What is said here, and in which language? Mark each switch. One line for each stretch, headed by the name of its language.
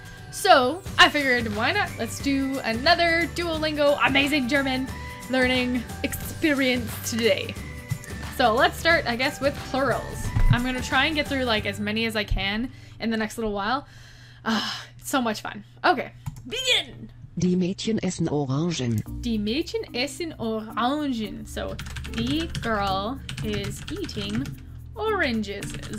English: So I figured, why not? Let's do another Duolingo amazing German learning experience today. So let's start, I guess, with plurals. I'm gonna try and get through like as many as I can in the next little while. So much fun. Okay, begin!
German: Die Mädchen essen Orangen. Die Mädchen essen Orangen.
English: So, the girl is eating oranges.